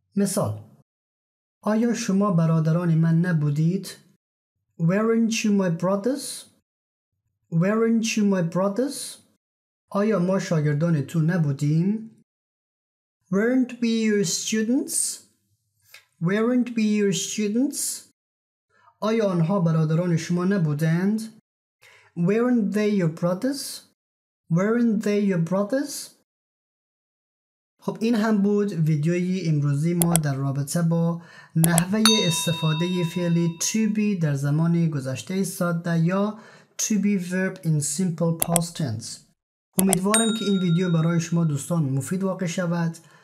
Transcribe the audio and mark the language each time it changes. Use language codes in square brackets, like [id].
[fa] مثال: آیا شما برادران من نبودید؟ [en] Weren't you my brothers? Weren't you my brothers? [fa] آیا ما شاگردان تو نبودیم؟ [en] Weren't we your students? Weren't we your students? [fa] آیا آنها برادران شما نبودند؟ [en] Weren't they your brothers? Weren't they your brothers? [fa] خب این هم بود ویدیوی امروزی ما در رابطه با نحوه استفاده فعل [en] to be در زمان گذشته ساده یا to be verb in simple past tense. [fa] امیدوارم که این ویدیو برای شما دوستان مفید واقع شود.